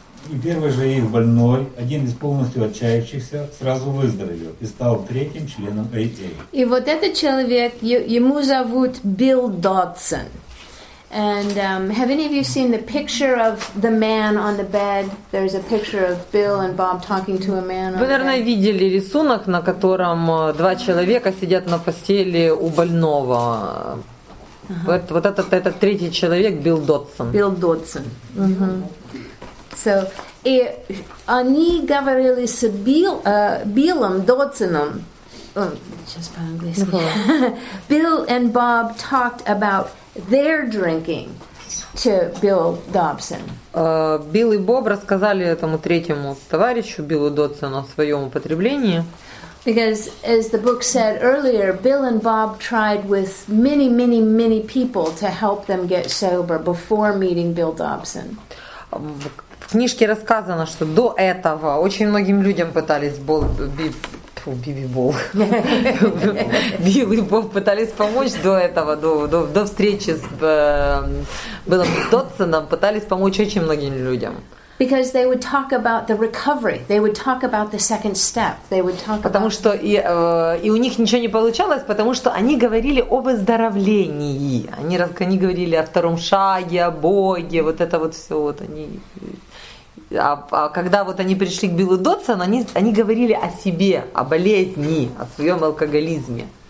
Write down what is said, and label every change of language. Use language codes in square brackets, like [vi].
[ru] И первый же их больной, один из полностью отчаявшихся, сразу выздоровел и стал третьим членом АА. И вот этот человек, ему зовут Билл Додсон. [en] And have any of you seen the picture of the man on the bed? There's a picture of Bill and Bob talking to a man on [ru] Вы, наверное, видели рисунок, на котором два человека сидят на постели у больного. Вот этот третий человек, Билл Додсон. Билл Додсон. So, и они говорили с Биллом Додсоном. Сейчас по-английски. [en] Билл и Боб talked about their drinking to Bill Dobson. [ru] Билл и Боб рассказали этому третьему товарищу, Биллу Додсону, о своем употреблении. [en] Because, as the book said earlier, Bill and Bob tried with many, many, many people to help them get sober before meeting Bill Dobson. [ru] В книжке рассказано, что до этого очень многим людям пытались Билл и Боб пытались помочь до этого, до встречи с Биллом Додсоном, пытались помочь очень многим людям. [en] Because they would talk about the recovery, they would talk about the second step, they would talk. [ru] Потому [en] about... [ru] что и у них ничего не получалось, потому что они говорили о выздоровлении, они говорили о втором шаге, о Боге, вот это вот все вот они. А когда вот они пришли к Биллу Додсону, они говорили о себе, о болезни, о своем алкоголизме.